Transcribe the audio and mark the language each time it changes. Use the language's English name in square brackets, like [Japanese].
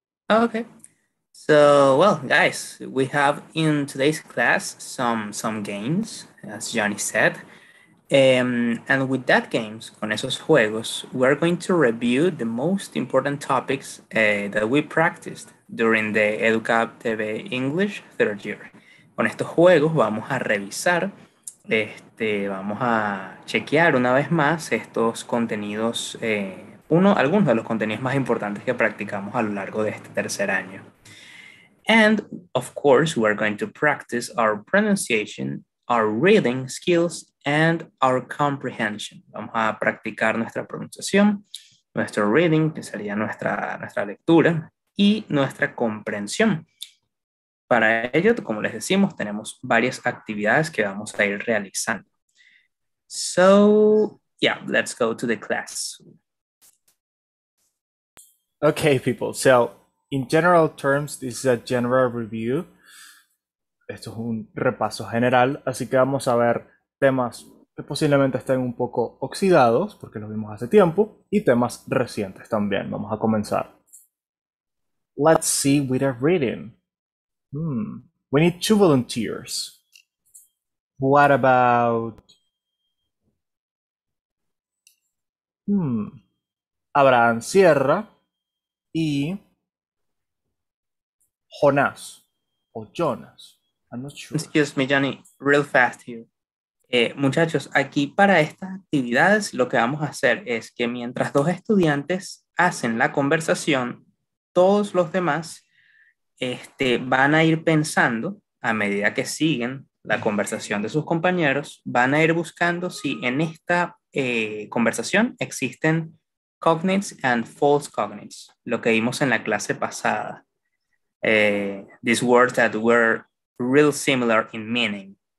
[English] Okay. So, well, guys, we have in today's class some games, as Jhonny said. And with that games, [Spanish] con esos juegos, [English] we're going to review the most important topics that we practiced during the Educab TV English third year. [Spanish] Con estos juegos vamos a revisar, vamos a chequear una vez más estos contenidos, algunos de los contenidos más importantes que practicamos a lo largo de este tercer año. [English] And, of course, we're going to practice our pronunciation, our reading skills, and our comprehension. [Spanish] Vamos a practicar nuestra pronunciación, nuestro reading, que sería nuestra lectura, y nuestra comprensión. Para ello, como les decimos, tenemos varias actividades que vamos a ir realizando. [English] So, yeah, let's go to the class. Okay, people, so in general terms, this is a general review. [Spanish] Esto es un repaso general, así que vamos a ver temas que posiblemente estén un poco oxidados, porque los vimos hace tiempo, y temas recientes también. Vamos a comenzar. [English] Let's see with a reading. We need 2 volunteers. What about... [Spanish] Abraham Sierra y... [English] Jonás, o Jonas. I'm not sure. Excuse me, Jhonny, real fast here. [Spanish] Muchachos, aquí para estas actividades lo que vamos a hacer es que mientras dos estudiantes hacen la conversación, todos los demás van a ir pensando a medida que siguen la conversación de sus compañeros, van a ir buscando si en esta conversación existen [English] cognates and false cognates, [Spanish] lo que vimos en la clase pasada. [English] These words that were real similar in meaning.